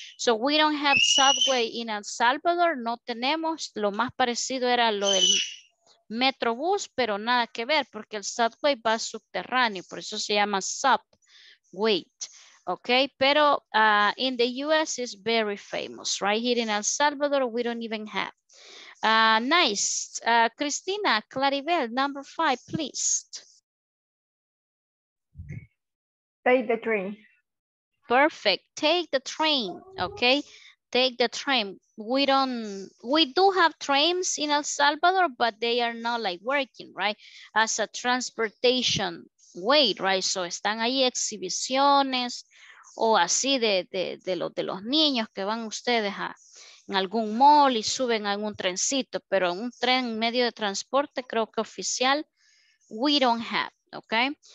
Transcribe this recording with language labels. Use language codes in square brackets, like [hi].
[en] So we don't have subway in El Salvador, [es] no tenemos. Lo más parecido era lo del metrobús, pero nada que ver, porque el subway va subterráneo, por eso se llama subway, ¿ok? Pero [en] in the US is very famous, right? Here in El Salvador, we don't even have. Nice. Cristina Claribel, number five, please. Take the train. Perfect. Take the train. Okay. Take the train. We do have trains in El Salvador, but they are not like working, right? As a transportation way, right? [es] So están ahí exhibiciones o así de los niños que van ustedes a en algún mall y suben a un trencito, pero un tren en medio de transporte, creo que oficial, [en] we don't have, okay?